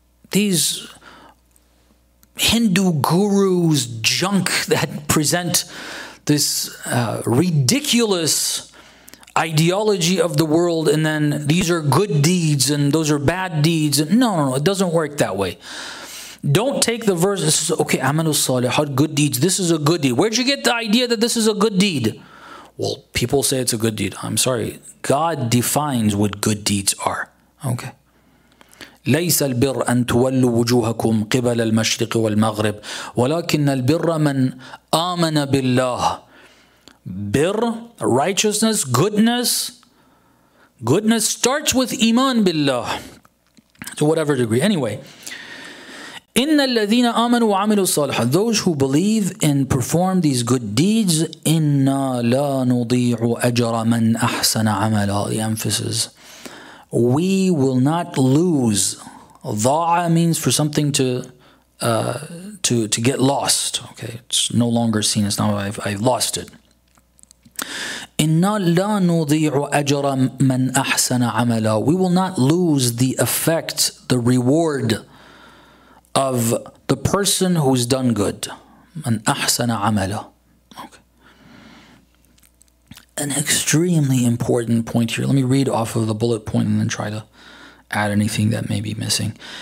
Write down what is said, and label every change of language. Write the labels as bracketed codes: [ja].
[en] These Hindu gurus' junk that present this ridiculous ideology of the world, and then these are good deeds and those are bad deeds. No, it doesn't work that way. Don't take the verse, this is, okay, amanu salihat, good deeds, this is a good deed. Where'd you get the idea that this is a good deed? Well, people say it's a good deed. I'm sorry, God defines what good deeds are. Okay. [ar] ليس البر أن تولوا وجوهكم قبل المشرق والمغرب ولكن البر من آمن بالله. [en] Bir, righteousness, goodness. Goodness starts with iman billah, to whatever degree. [ar] Anyway, إِنَّ الَّذِينَ آمَنُوا وَعَمِلُوا الصَّالِحَاتِ, [en] those who believe and perform these good deeds, [ar] إِنَّا لَا نُضِيعُ أَجْرَ مَنْ أَحْسَنَ عَمَلًا. [en] The emphasis. We will not lose. ضَاعَ means for something to get lost. Okay, it's no longer seen. It's now I've lost it. [ar] إِنَّا لَا نُضِيعُ أَجْرَ مَنْ أَحْسَنَ عَمَلًا. [en] We will not lose the effect, the reward of the person who's done good. [ar] An ahsana amala. Okay. [en] An extremely important point here. Let me read off of the bullet point and then try to add anything that may be missing.